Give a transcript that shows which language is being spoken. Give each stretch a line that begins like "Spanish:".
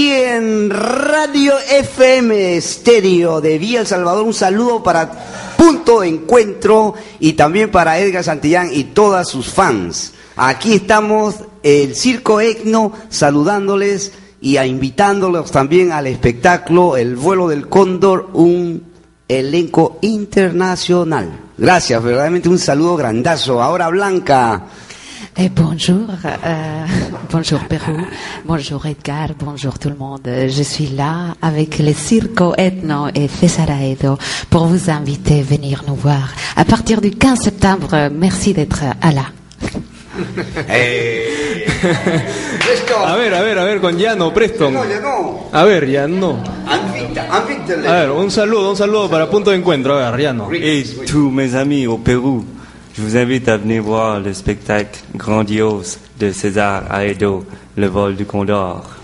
Spanish: Y en Radio FM Estéreo de Villa El Salvador, un saludo para Punto de Encuentro y también para Edgar Santillán y todas sus fans. Aquí estamos, el Circo Egno, saludándoles y invitándolos también al espectáculo El Vuelo del Cóndor, un elenco internacional. Gracias, verdaderamente un saludo grandazo. Ahora Blanca.
French: Bonjour, bonjour Perú, bonjour Edgar, bonjour tout le monde. Je suis là avec le Circo Etno et César Aedo pour vous inviter à venir nous voir à partir du 15 septembre. Merci d'être à la.
Spanish: Listo. A ver, a ver, a ver, con Llano, Preston. Llano. A ver, Llano. Anvítale. A ver, un saludo para Punto de Encuentro. A ver, Llano.
French: Hey, tous mes amis au Pérou. Je vous invite à venir voir le spectacle grandiose de César Aedo, Le Vol du Condor.